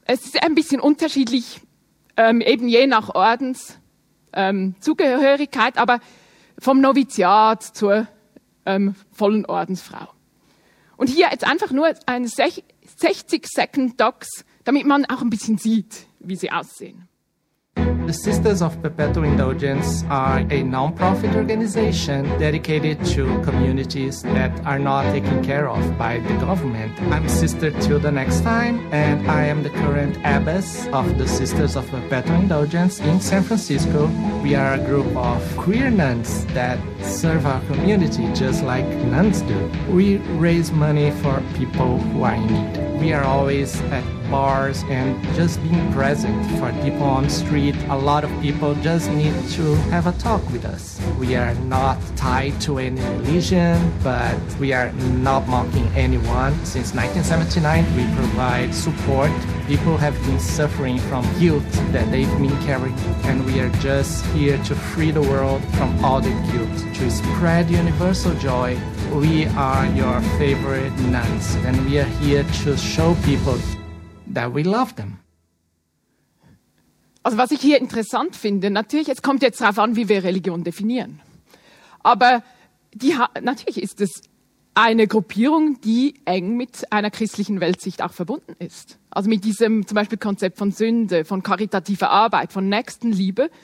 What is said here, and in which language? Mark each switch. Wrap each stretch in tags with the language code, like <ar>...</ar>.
<de>Es ist ein bisschen unterschiedlich. Eben je nach Ordenszugehörigkeit, aber vom Noviziat zur vollen Ordensfrau. Und hier jetzt einfach nur ein 60-Second-Docs, damit man auch ein bisschen sieht, wie sie aussehen.</de> <en>The Sisters of Perpetual Indulgence are a non-profit organization dedicated to communities that are not taken care of by the government. I'm Sister Tilda Nextime, and I am the current abbess of the Sisters of Perpetual Indulgence in San Francisco. We are a group of queer nuns that serve our community just like nuns do. We raise money for people who are in need. We are always at bars and just being present for people on the street. A lot of people just need to have a talk with us. We are not tied to any religion, but we are not mocking anyone. Since 1979, we provide support. People have been suffering from guilt that they've been carrying, and we are just here to free the world from all the guilt, to spread universal joy. We are your favorite nuns, and we are here to show people that we love them.</en> <de>Also was ich hier interessant finde, natürlich, es kommt jetzt darauf an, wie wir Religion definieren. Aber natürlich ist es eine Gruppierung, die eng mit einer christlichen Weltsicht auch verbunden ist. Also mit diesem zum Beispiel Konzept von Sünde, von karitativer Arbeit, von Nächstenliebe.</de>